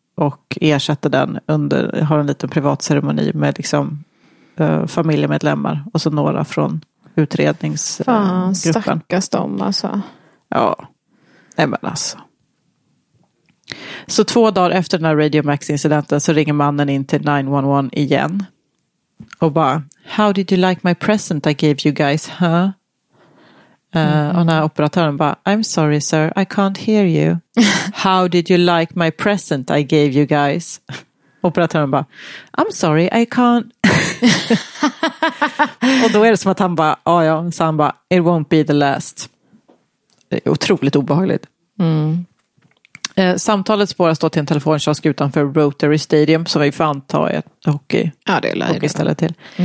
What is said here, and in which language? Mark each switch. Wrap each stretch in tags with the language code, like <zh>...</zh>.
<sv>och ersätter den under, har en liten privat ceremoni med liksom familjemedlemmar och så några från utredningsgruppen. Fan, stackars dem alltså. Ja, nej men alltså. Så två dagar efter den här Radio Max-incidenten så ringer mannen in till 911 igen. Och bara,</sv> <en>how did you like my present I gave you guys, huh?</en> <sv>Och den här operatören bara,</sv> <en>I'm sorry sir, I can't hear you. How did you like my present I gave you guys?</en> <sv>Operatören bara,</sv> <en>I'm sorry, I can't.</en> <sv>Och då är det som att han bara, ja, så han bara,</sv> <en>it won't be the last.</en> <sv>Det är otroligt obehagligt. Mm. Samtalet spåras då till en telefonkiosk utanför Rotary Stadium som vi får anta är ett hockeyställe till.</sv>